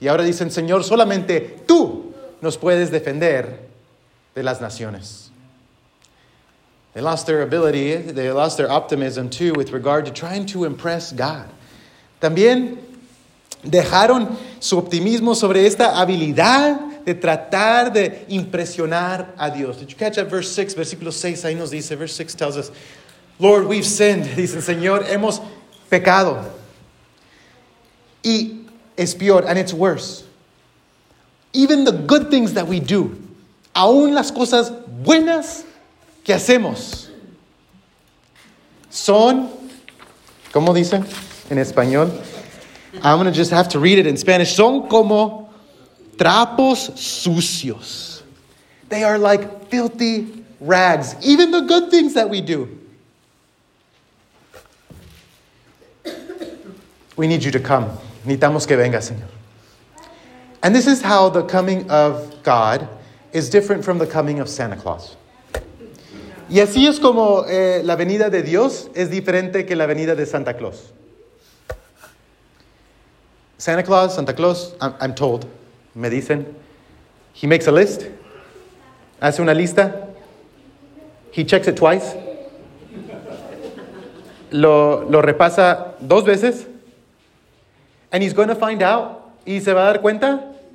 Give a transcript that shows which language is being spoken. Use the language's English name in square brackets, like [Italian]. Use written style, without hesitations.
[Spanish] Y ahora dicen, Señor, solamente tú nos puedes defender de las naciones. [English] They lost their ability, they lost their optimism too with regard to trying to impress God. [Spanish] También dejaron su optimismo sobre esta habilidad de tratar de impresionar a Dios. [English] Did you catch that verse 6? [Spanish] Versículo 6, ahí nos dice, [English] verse 6 tells us, Lord, we've sinned. [Spanish] Dicen, Señor, hemos pecado. Y es peor, [English] and it's worse. Even the good things that we do, [Spanish] aún las cosas buenas que hacemos, son, ¿cómo dicen en español? [English] I'm going to just have to read it in Spanish. [Spanish] Son como trapos sucios. [English] They are like filthy rags. Even the good things that we do, we need you to come. [Spanish] Necesitamos que venga, Señor. [English] And this is how the coming of God is different from the coming of Santa Claus. [Spanish] Y así es como la venida de Dios es diferente que la venida de Santa Claus. [English] Santa Claus, Santa Claus, I'm told, [Spanish] me dicen, [English] he makes a list, [Spanish] hace una lista, [English] he checks it twice, [Spanish] lo repasa dos veces, [English] and he's going to find out. [Spanish] ¿Y se va a dar cuenta?